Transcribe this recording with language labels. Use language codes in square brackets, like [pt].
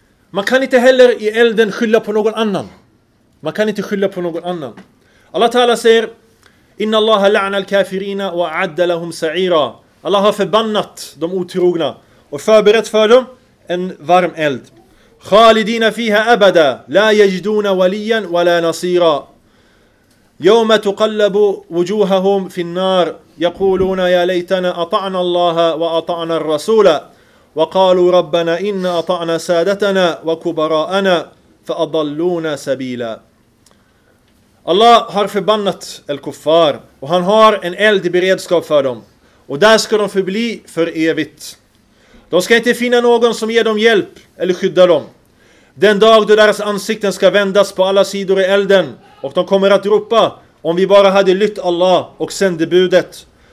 [sv] Man kan inte heller i elden skylla på någon annan. Man kan inte skylla på någon annan. Allah Ta'ala säger: inna Allah la'ana al-kafirina wa 'adda lahum sa'ira. Allah har förbannat de otrogna och förberett för dem en varm eld. [ar] خالدين فيها أبدا لا يجدون وليا ولا نصيرا يوم تقلب وجوههم في النار يقولون يا ليتنا أطعنا الله وأطعنا الرسول وقالوا ربنا إن أطعنا سادتنا وكبراءنا فأضلونا سبيلا. [sv] Allah har förbannat el-kuffar och han har en eld i beredskap för dem och där ska de förbli för evigt. De ska inte finna någon som ger dem hjälp eller skyddar dem. Den dag då deras ansikten ska vändas på alla sidor i elden och de kommer att ropa om vi bara hade lytt Allah och sändebudet.